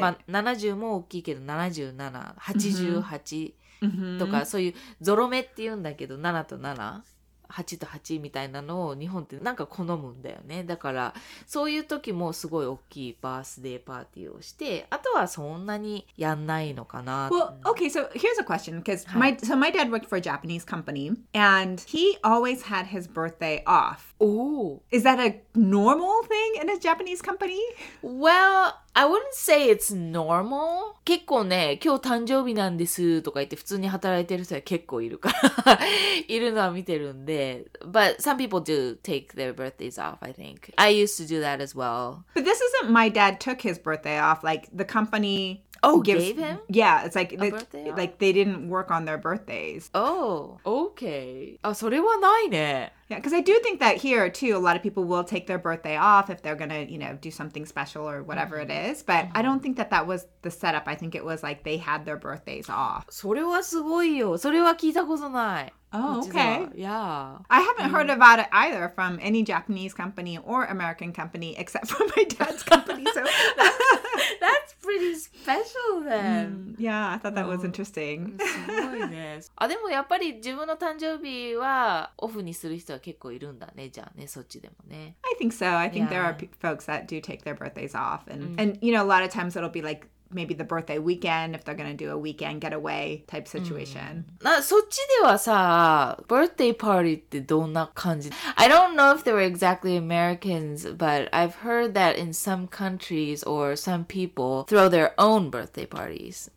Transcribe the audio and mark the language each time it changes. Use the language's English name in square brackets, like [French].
[Japanese] まあ70も大きいけど、77、88とか、そういうゾロ目って言うんだけど、7と7、8と8みたいなのを日本ってなんか好むんだよね。だから、そういう時もすごい大きいバースデーパーティーをして、あとはそんなにやんないのかな。 [English] Well, okay, so here's a question. Because my dad worked for a Japanese company, and he always had his birthday off. Oh. Is that a normal thing in a Japanese company? Well... I wouldn't say it's normal. [Japanese] 結構ね、今日誕生日なんですとか言って普通に働いてる人は結構いるから、いるのは見てるんで。 [English] But some people do take their birthdays off, I think. I used to do that as well. But this isn't my dad took his birthday off. Like, the company... Oh, gave him? Yeah, it's like, they didn't work on their birthdays. Oh, okay. Ah, [Japanese] それはないね。 [English] Yeah, because I do think that here, too, a lot of people will take their birthday off if they're going to, you know, do something special or whatever it is. But I don't think that was the setup. I think it was like they had their birthdays off. [Japanese] それはすごいよ。それは聞いたことない。 [English] Oh, okay. Yeah. I haven't heard about it either from any Japanese company or American company except for my dad's company. So that's pretty special then. Yeah, I thought that was interesting. [Japanese] すごいね。あ、でもやっぱり自分の誕生日はオフにする人は結構いるんだね。じゃあね、そっちでもね。 [English] I think so. I think there are folks that do take their birthdays off. And you know, a lot of times it'll be like,Maybe the birthday weekend, if they're going to do a weekend getaway type situation. [Japanese] そっちではさ、birthday party ってどんな感じ? [English] I don't know if they were exactly Americans, but I've heard that in some countries or some people throw their own birthday parties.